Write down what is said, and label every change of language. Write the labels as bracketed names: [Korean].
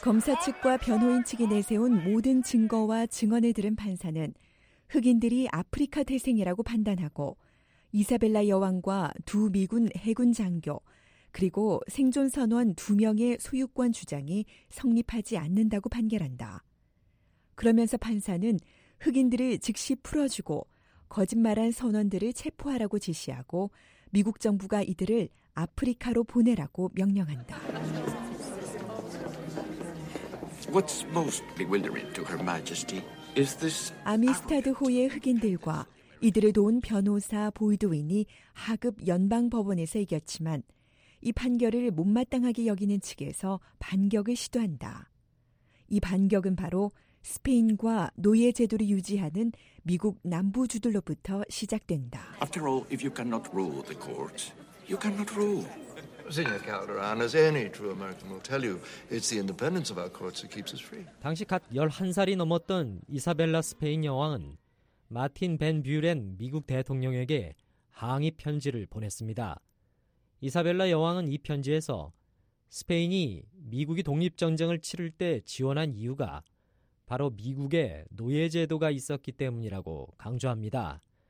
[Korean] 검사 측과 변호인 측이 내세운 모든 증거와 증언을 들은 판사는 흑인들이 아프리카 태생이라고 판단하고 이사벨라 여왕과 두 미군 해군 장교 그리고 생존 선원 두 명의 소유권 주장이 성립하지 않는다고 판결한다. 그러면서 판사는 흑인들을 즉시 풀어주고 거짓말한 선원들을 체포하라고 지시하고 미국 정부가 이들을 아프리카로 보내라고 명령한다. [English] What's most bewildering to Her Majesty is this [Korean] 아미스타드호의 흑인들과 이들을 도운 변호사 보이드윈이 하급 연방법원에서 이겼지만 이 판결을 못마땅하게 여기는 측에서 반격을 시도한다. 이 반격은 바로 스페인과 노예 제도를 유지하는 미국 남부주들로부터 시작된다. [English] After all, if you cannot rule the court, you cannot rule. Senor Calderon, as any true American will tell you, it's the independence of our courts that keeps us free. [Korean] 당시 갓 11살이 넘었던 이사벨라 스페인 여왕은 마틴 벤 뷰렌 미국 대통령에게 항의 편지를 보냈습니다. 이사벨라 여왕은 이 편지에서 스페인이 미국이 독립전쟁을 치를 때 지원한 이유가 바로 미국의 노예 제도가 있었기 때문이라고 강조합니다.